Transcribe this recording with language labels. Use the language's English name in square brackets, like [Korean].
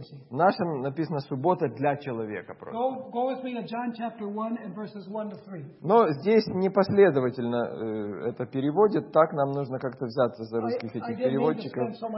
[Russian] в нашем написано суббота для человека просто. [English] Go with me to John chapter 1 and verses 1 to 3. [Russian] Но здесь непоследовательно это переводят, так нам нужно как-то взяться за русских этих переводчиков.